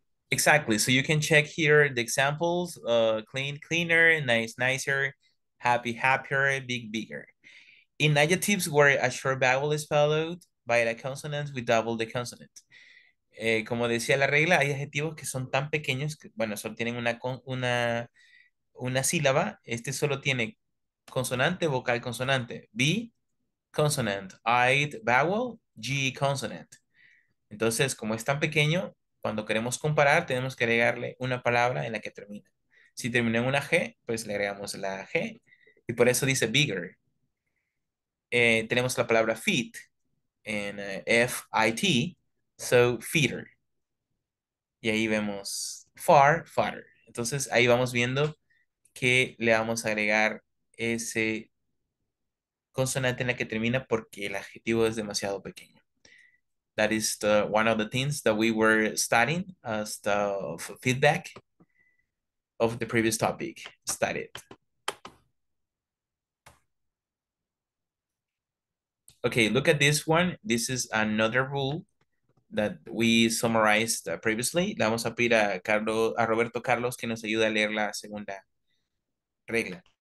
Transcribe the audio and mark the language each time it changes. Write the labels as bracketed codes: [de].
[en] Exactly. So you can check here the examples, clean, cleaner, nice, nicer, happy, happier, big, bigger. In adjectives where a short vowel is followed by a consonant with double the consonant. [es] Como decía la regla, hay adjetivos que son tan pequeños que, bueno, solo tienen una sílaba. Este solo tiene consonante, vocal, consonante. [en] B, consonant. I, vowel. G, consonant. [es] Entonces, como es tan pequeño, cuando queremos comparar, tenemos que agregarle una palabra en la que termina. Si termina en una G, pues le agregamos la G. Y por eso dice bigger. Tenemos la palabra fit en F-I-T, so feeder. Y ahí vemos far, fatter. Entonces ahí vamos viendo que le vamos a agregar ese consonante en la que termina porque el adjetivo es demasiado pequeño. [en] That is the, one of the things that we were studying as the feedback of the previous topic studied. Okay, look at this one. This is another rule that we summarized previously. [es] Le vamos a pedir a Roberto Carlos que nos ayude a leer la segunda regla.